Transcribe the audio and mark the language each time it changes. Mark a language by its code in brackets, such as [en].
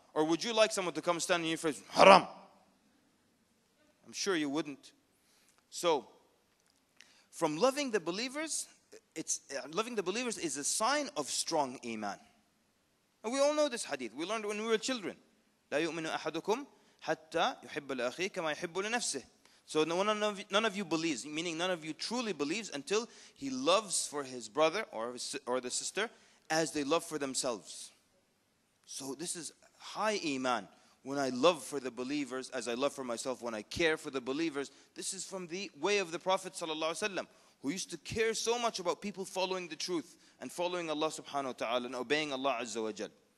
[en] Or would you like someone to come stand in your face, haram? I'm sure you wouldn't. So, from loving the believers, loving the believers is a sign of strong iman. And we all know this hadith. We learned when we were children. [ar] لا يؤمن أحدكم حتى يحب الأخي كما يحب لنفسه. [en] So none of you believes, meaning none of you truly believes until he loves for his brother or the sister as they love for themselves. So this is high iman. When I love for the believers as I love for myself, when I care for the believers, this is from the way of the Prophet sallallahu alaihi wasallam, who used to care so much about people following the truth and following Allah subhanahu wa ta'ala and obeying Allah azza wa jal.